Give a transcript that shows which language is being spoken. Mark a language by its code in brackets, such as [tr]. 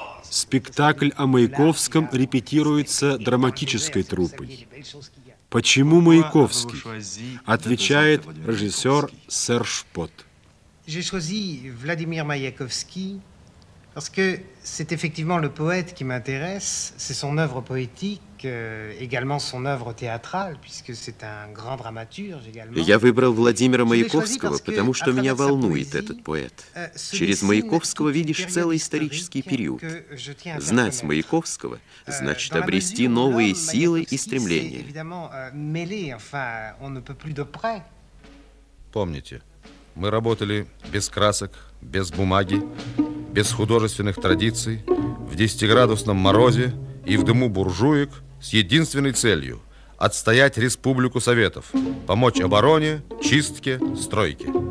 [ru] Спектакль о Маяковском репетируется драматической труппой. Почему Маяковский? Отвечает режиссер Серж Пот. [fr] J'ai choisi Vladimir Маяковский. Parce que c'est effectivement le poète qui m'intéresse, c'est son œuvre poétique, également son œuvre théâtrale, puisque c'est un grand dramaturge également. [ru] Я выбрал Владимира Маяковского, потому что меня волнует этот поэт. Через Маяковского видишь целый исторический период. Знать Маяковского значит обрести новые силы и стремления. [fr] Évidemment, mêlé, enfin, on ne peut plus de près. [ru] Помните, мы работали без красок, без бумаги, без художественных традиций, в 10-градусном морозе и в дыму буржуек с единственной целью – отстоять Республику Советов, помочь обороне, чистке, стройке.